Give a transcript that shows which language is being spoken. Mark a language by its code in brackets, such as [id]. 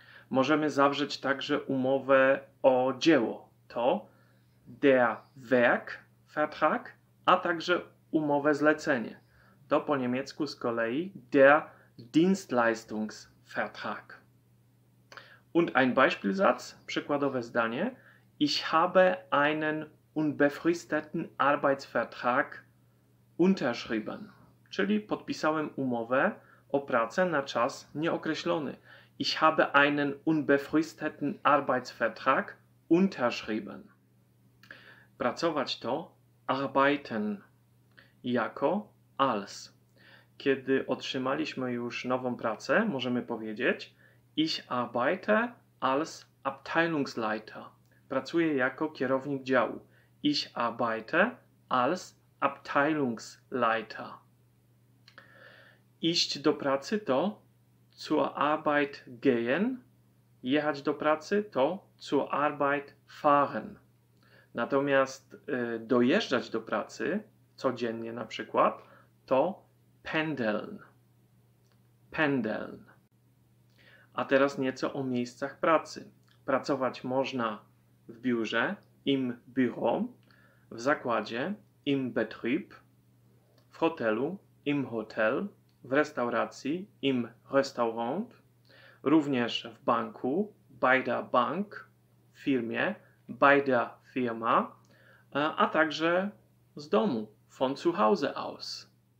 [pl] Możemy zawrzeć także umowę o dzieło, to der Werkvertrag, a także umowę zlecenie, to po niemiecku z kolei der Dienstleistungsvertrag. [de] Und ein Beispielsatz, [pl] przykładowe zdanie. [de] Ich habe einen unbefristeten Arbeitsvertrag unterschrieben. [pl] Czyli podpisałem umowę o pracę na czas nieokreślony. [de] Ich habe einen unbefristeten Arbeitsvertrag unterschrieben. [pl] Pracować to arbeiten. Jako als. Kiedy otrzymaliśmy już nową pracę, możemy powiedzieć [de] ich arbeite als Abteilungsleiter. [pl] Pracuję jako kierownik działu. [de] Ich arbeite als [pl] Abteilungsleiter. Iść do pracy to [de] zur Arbeit gehen. [pl] Jechać do pracy to [de] zur Arbeit fahren. [pl] Natomiast dojeżdżać do pracy codziennie na przykład to pendeln. Pendeln. A teraz nieco o miejscach pracy. Pracować można w biurze, im Büro, w zakładzie, im Betrieb, w hotelu, im Hotel, w restauracji, im Restaurant, również w banku, bei der Bank, w firmie, bei der Firma, a także z domu, [de] von zu Hause aus.